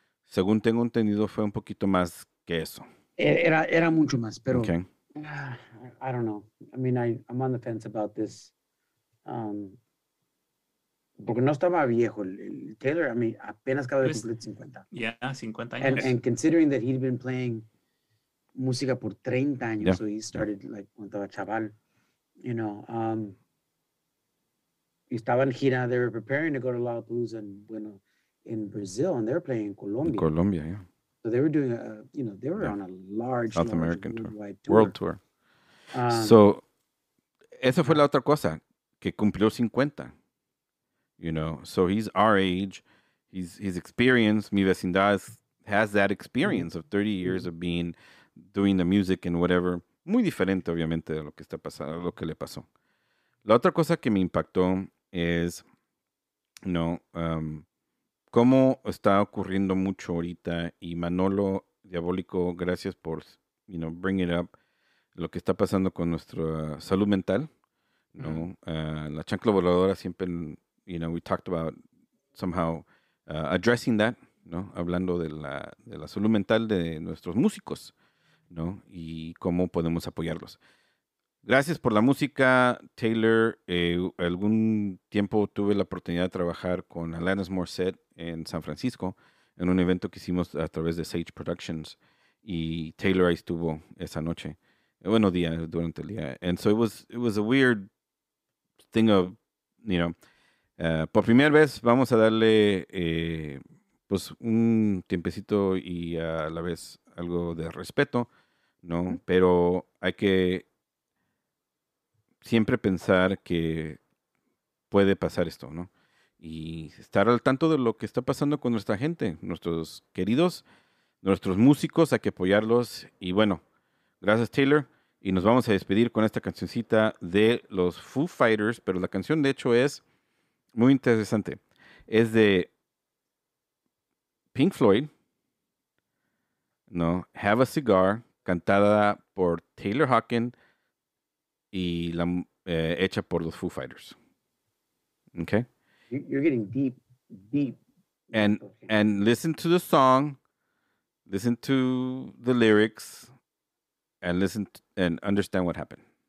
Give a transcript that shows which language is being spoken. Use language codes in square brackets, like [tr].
[es] Según tengo entendido, fue un poquito más que eso. Era mucho más, pero... Okay. [en] I don't know. I mean, I'm on the fence about this. [es] Porque no estaba viejo. Taylor, [en] I mean, [es] apenas acaba de cumplir 50. Yeah, 50 años. [en] And considering that he'd been playing [es] música por 30 años, [en] yeah. So he started, yeah, like, [es] cuando estaba chaval, [en] you know. [es] Estaba en gira, [en] they were preparing to go to Lollapalooza and, [es] bueno, [en] in Brazil, and they were playing in Colombia. In Colombia, yeah. So they were doing, they were, yeah, on a large, South American tour. World tour. [es] So, eso fue la otra cosa, que cumplió 50. [en] You know, so he's our age. He's experienced. Mi Vecindad has that experience of 30 years of being, doing the music and whatever. [es] Muy diferente, obviamente, de lo que está pasando, lo que le pasó. La otra cosa que me impactó es, ¿no? Cómo está ocurriendo mucho ahorita. Y Manolo Diabólico, gracias por, [en] you know, bring it up. [es] Lo que está pasando con nuestra salud mental, ¿no? La chancla voladora siempre... [en] You know, we talked about somehow addressing that, ¿no? [es] Hablando de la salud mental de nuestros músicos, ¿no? Y cómo podemos apoyarlos. Gracias por la música, Taylor. Algún tiempo tuve la oportunidad de trabajar con Alanis Morissette en San Francisco en un evento que hicimos a través de Sage Productions. Y Taylor ahí estuvo esa noche. Buenos días, durante el día. [en] And so it was a weird thing of, you know... [es] por primera vez vamos a darle pues un tiempecito y a la vez algo de respeto, ¿no? Pero hay que siempre pensar que puede pasar esto, ¿no? Y estar al tanto de lo que está pasando con nuestra gente, nuestros queridos, nuestros músicos, hay que apoyarlos. Y bueno, gracias Taylor. Y nos vamos a despedir con esta cancioncita de los Foo Fighters, pero la canción de hecho es... Muy interesante. Es de Pink Floyd, ¿no? Have a Cigar, cantada por Taylor Hawkins y la hecha por los Foo Fighters. [en] Okay. You're getting deep, deep. And listen to the song, listen to the lyrics, and listen to, and understand what happened.